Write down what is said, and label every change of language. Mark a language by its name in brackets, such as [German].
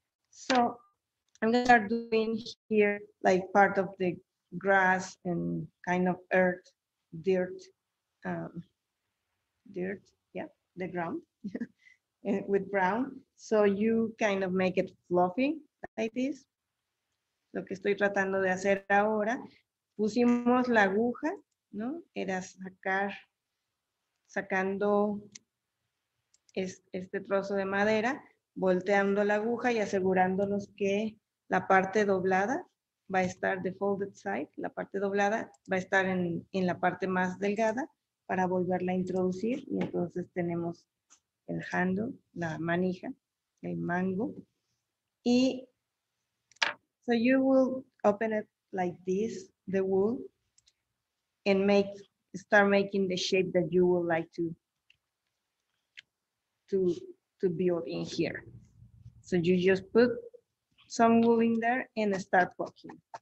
[English] So I'm gonna start doing here like part of the grass and kind of earth, dirt, yeah, the ground with brown. So you kind of make it fluffy like this. [Spanish] Lo que estoy tratando de hacer ahora, pusimos la aguja, ¿no? Era sacando este trozo de madera, volteando la aguja y asegurándonos que la parte doblada va a estar [English] the folded side, [Spanish] la parte doblada va a estar en la parte más delgada para volverla a introducir. Y entonces tenemos el handle, la manija, el mango. [English] Y so you will open it like this, the wool, and start making the shape that you would like to build in here. So you just put some wool in there and start poking.